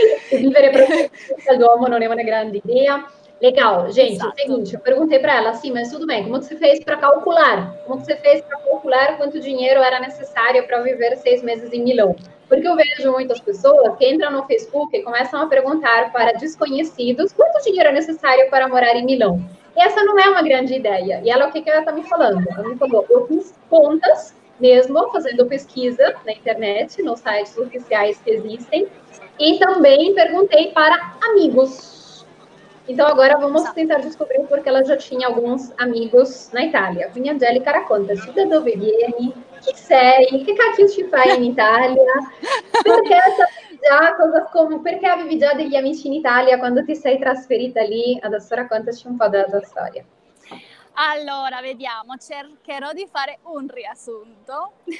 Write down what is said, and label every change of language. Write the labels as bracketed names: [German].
[Italian] Vivere proprio al Duomo non è una grande idea. [Portuguese] Legal, gente, esatto. Seguinte, perguntei para ela assim, mas tudo bem, como você fez para calcular? Como você fez para calcular quanto dinheiro era necessário para viver 6 meses em Milão? Porque eu vejo muitas pessoas que entram no Facebook e começam a perguntar para desconhecidos quanto dinheiro é necessário para morar em Milão. E essa não é uma grande ideia. E ela, o que ela está me falando? Ela me falou, eu fiz contas mesmo, fazendo pesquisa na internet, nos sites oficiais que existem, e também perguntei para amigos. Então agora vamos tentar descobrir porque ela já tinha alguns amigos na Itália. [Italian] Quindi Angelica racconta, da dove vieni? Chi sei? Che cacchio ci fai in Italia? Perché sapevi già cosa, come, perché avevi già degli amici in Italia quando ti sei trasferita lì? Adesso raccontaci un po' della tua storia. Allora, vediamo, cercherò di fare un riassunto.